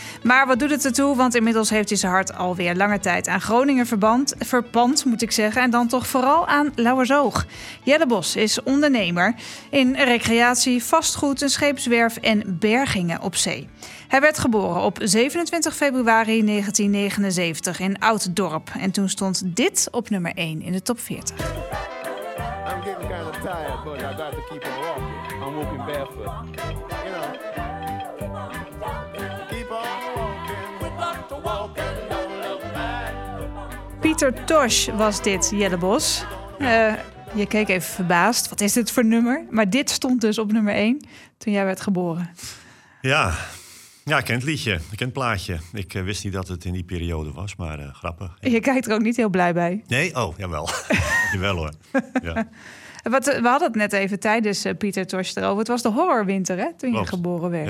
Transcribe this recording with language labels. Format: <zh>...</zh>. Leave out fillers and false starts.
<nl>Maar wat doet het ertoe, want inmiddels heeft hij zijn hart alweer lange tijd aan Groningen verpand, moet ik zeggen. En dan toch vooral aan Lauwersoog. Jelle Bos is ondernemer in recreatie, vastgoed, een scheepswerf en bergingen op zee. Hij werd geboren op 27 februari 1979 in Ouddorp. En toen stond dit op nummer 1 in de top 40.</nl> <en>I'm getting kind of tired, but I got to keep on walking. I'm walking barefoot. You know. Keep on walking. Keep on walking. Keep on walking. Don't look back.</en> <nl>Pieter Tosh was dit, Jelle Bos. Je keek even verbaasd. Wat is dit voor nummer? Maar dit stond dus op nummer 1 toen jij werd geboren. Ja. Ja, ik ken het liedje, ik ken het plaatje. Ik wist niet dat het in die periode was, maar grappig. Ja. Je kijkt er ook niet heel blij bij. Nee? Oh, jawel. Jawel hoor. Ja. We hadden het net even tijdens Pieter Tosh erover. Het was de horrorwinter, hè, toen Klopt. Je geboren werd.</nl>